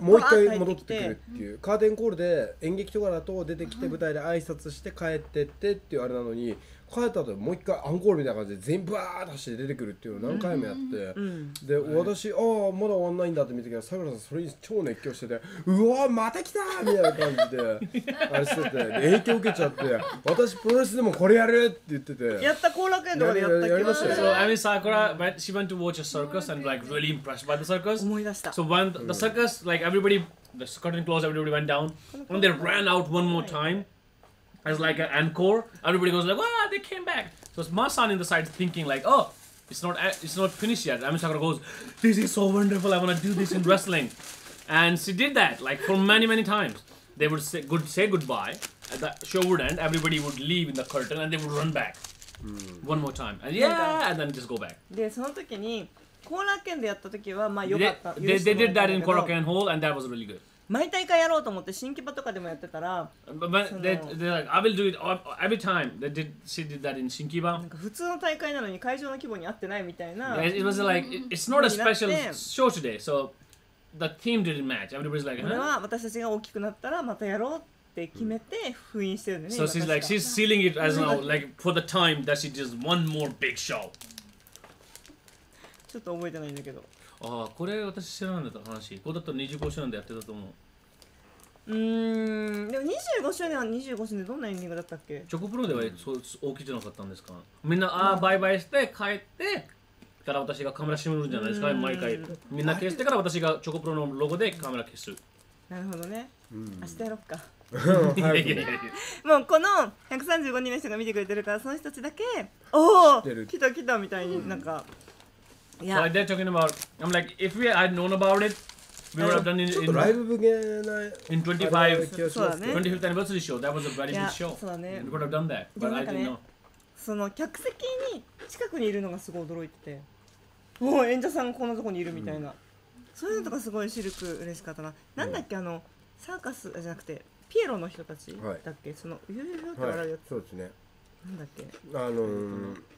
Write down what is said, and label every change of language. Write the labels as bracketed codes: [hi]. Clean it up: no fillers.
[ja] もう一回戻ってくるっていう、うん、カーテンコールで演劇とかだと出てきて舞台で挨拶して帰ってってっていうあれなのに帰った後もう一回アンコールみたいな感じで全員バーッと走って出てくるっていうのを何回もやって、うん、で、はい、私ああまだ終わんないんだって見たけどさくらさんそれに超熱狂しててうわーまた来たーみたいな感じであれしてて影響受けちゃって私プロレスでもこれやるって言っててやった後楽園とかでやったっけやりましたよ [en] So I mean Sakura but she went to watch a circus and like really impressed by the circus [ja] 思い出した [en] So when the circus like everybody the curtain closed everybody went down and they ran out one more timeAs like an encore, everybody goes like, wow, they came back. So it's my son in the side thinking like, oh, it's not finished yet. Ami Sakura goes, this is so wonderful. I want to do this in wrestling. And she did that like for many, many times. They would say goodbye. And the show would end. Everybody would leave in the curtain and they would run back、mm. one more time. And yeah, and then just go back. [ja] で、その時に、コーラケンでやった時はまあ良かった。 [en] They did that in コーラケンホール and that was really good. [ja] 毎大会やろうと思って新規場とかでもやってたら [en] But they're like, I will do it every time they did, she did that in 新規場 [ja] なんか普通の大会なのに会場の規模に合ってないみたいな [en] It was like, it's not a special show today so the team didn't match Everybody's like, huh? [ja] 俺は私たちが大きくなったらまたやろうって決めて封印してるね [en] So she's like, she's sealing it as now like for the time that she does one more big show [ja] ちょっと覚えてないんだけどああこれ私知らないんだった話ここだったら25周年でやってたと思ううーんでも25周年は25周年でどんなエンディングだったっけチョコプロでは、うん、そう大きじゃなかったんですかみんなあーバイバイして帰ってから私がカメラ閉めるんじゃないですか毎回みんな消してから私がチョコプロのロゴでカメラ消すなるほどね、うん、明日やろっかね、もうこの135人の人が見てくれてるからその人たちだけおお来た来たみたいになんか、うん [en] Yeah. So they're talking about, I'm like, if we had known about it, we would have done it in 25th anniversary show. That was a very good show. We would have done that, but I didn't know. [ja] その客席に近くにいるのがすごい驚いてて、もう演者さんこんなとこにいるみたいな。そういうのとかすごいシルク嬉しかったな。なんだっけ、あの、サーカスじゃなくて、ピエロの人たちだっけ、そのゆうゆうゆうって笑うやつ。そうですね。なんだっけ。